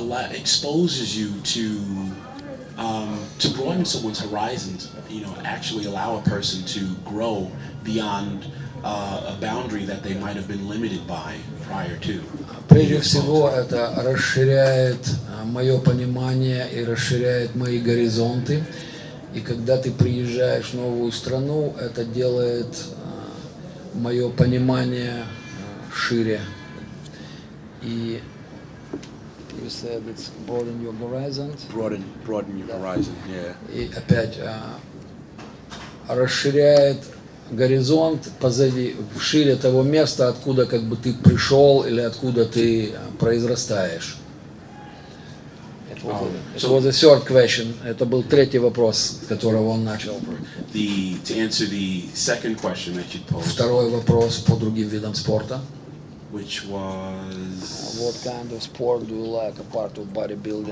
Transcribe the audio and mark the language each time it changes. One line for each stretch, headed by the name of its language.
English: Exposes you to broaden someone's horizons, you know, actually allow a person to grow beyond a boundary that they might have been limited by prior to.
Russian: Прежде всего, это расширяет мое понимание и расширяет мои горизонты. И когда ты приезжаешь в новую страну, это делает мое понимание шире.
English: И you said it's broaden your horizons. Broaden your horizon, yeah.
Russian: И опять расширяет горизонт позади, шире того места, откуда как бы ты пришел или откуда ты произрастаешь.
English: It was the third question.
Russian: Это был третий вопрос, с которого он начал.
English: To answer the second question that you posed.
Russian: Второй вопрос по другим видам спорта.
English: Which was what kind of sport do you like apart from bodybuilding?